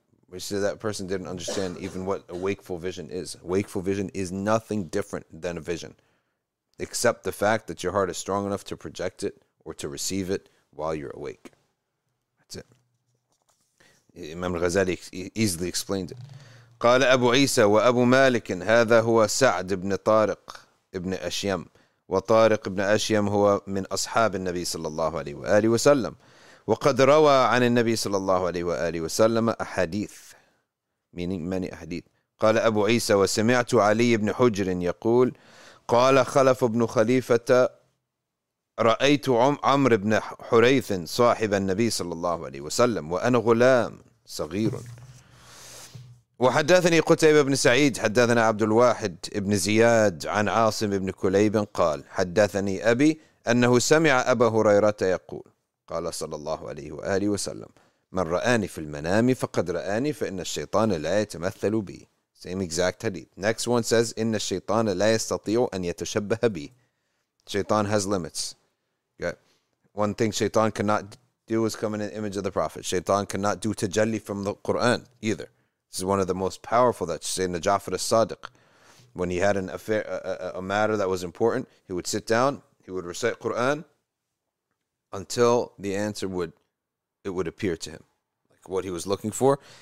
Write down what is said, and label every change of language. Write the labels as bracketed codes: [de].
[en] We said that person didn't understand even what a wakeful vision is. Wakeful vision is nothing different than a vision, except the fact that your heart is strong enough to project it or to receive it while you're awake. Imam Ghazali easily explained it. [ar] قال أبو عيسى وأبو مالك هذا هو سعد بن طارق ابن أشيم وطارق بن أشيم هو من أصحاب النبي صلى الله عليه وآله وسلم، وقد روى عن النبي صلى الله عليه وآله وسلم أحاديث. من أحاديث؟ قال أبو عيسى: وسمعت علي بن حجر يقول قال خلف بن خليفة رأيت عمرو بن حريث صاحب النبي صلى الله عليه وسلم وأنا غلام صغير. وحدثني قتيبة بن سعيد حدثنا عبد الواحد بن زياد عن عاصم بن كليب قال حدثني أبي أنه سمع أبا هريرة يقول قال صلى الله عليه وآله وسلم من رآني في المنام فقد رآني فإن الشيطان لا يتمثل بي. [en] Same exact hadith. Next one says [ar] إن الشيطان لا يستطيع أن يتشبه بي. [en] Shaitan has limits. Okay. One thing Shaitan cannot do is come in an image of the Prophet. Shaitan cannot do tajalli from the Quran either. This is one of the most powerful that Sayyidina Ja'far as-Sadiq, when he had an affair, a matter that was important, he would sit down, he would recite Quran until the answer would, it would appear to him, like what he was looking for.